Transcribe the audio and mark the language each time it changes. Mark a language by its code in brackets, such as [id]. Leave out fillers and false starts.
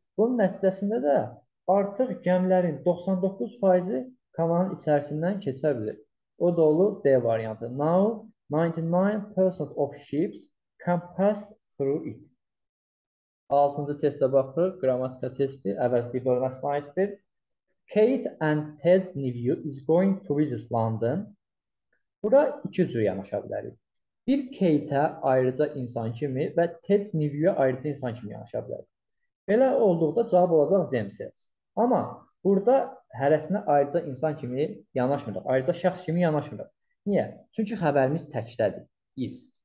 [az] Bunun nəticəsində də artıq gəmilərin 99% kanalın içərisindən keçə bilir. O da olur D variantı. [en] Now 99% of ships can pass through it. [az] 6-cı testə baxırıq. Qramatika testi. Əvvəlki bölmə slayddır. [en] Kate and Ted's nephew is going to visit London. [az] Bura iki cür yanaşa bilərik. Bir Kate'ə ayrıca insan kimi və Ted's nephew'ə ayrıca insan kimi yanaşa bilərik. Belə olduqda cavab olacaq themselves. Amma burada hərəsinə ayrıca insan kimi yanaşmırıq. Ayrıca şəxs kimi yanaşmırıq. Niyə? Çünki xəbərimiz təkdədir. Is.